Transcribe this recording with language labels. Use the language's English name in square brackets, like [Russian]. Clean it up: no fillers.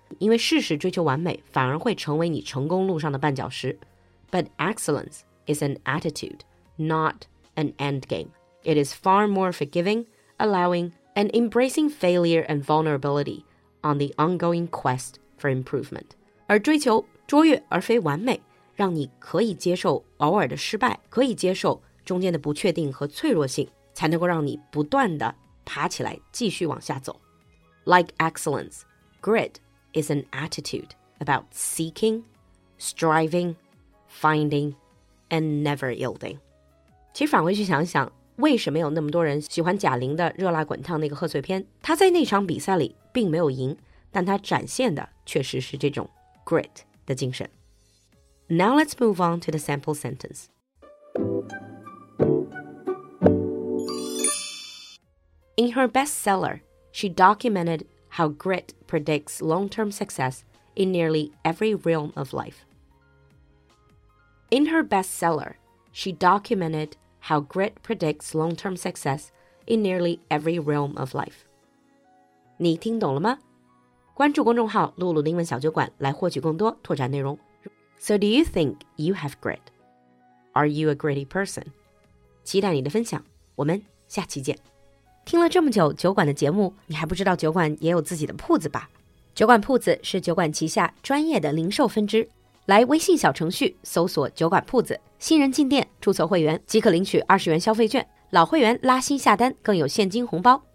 [Chinese] 因为事实追求完美反而会成为你成功路上的绊脚石。 [English] But excellence is an attitude, not an end game. It is far more forgiving, allowing, and embracing failure and vulnerability on the ongoing quest for improvement. [Chinese] 而追求卓越而非完美，让你可以接受偶尔的失败，可以接受中间的不确定和脆弱性，才能够让你不断地爬起来，继续往下走。 [English] Like excellence, grit is an attitude about seeking, striving, finding, and never yielding. [Chinese] 其实反过去想想，为什么有那么多人喜欢贾玲的《热辣滚烫》那个贺岁片？她在那场比赛里并没有赢，但她展现的确实是这种 grit 的精神。 [English] Now let's move on to the sample sentence. In her bestseller, she documented how grit predicts long-term success in nearly every realm of life. In her bestseller, she documented how grit predicts long-term success in nearly every realm of life. [Chinese] 你听懂了吗？关注公众号露露的英文小酒馆来获取更多拓展内容。 [English] So do you think you have grit? Are you a gritty person? [Chinese] 期待你的分享，我们下期见。听了这么久酒馆的节目，你还不知道酒馆也有自己的铺子吧？酒馆铺子是酒馆旗下专业的零售分支。来微信小程序搜索酒馆铺子，新人进店注册会员即可领取20元消费券，老会员拉新下单更有现金红包。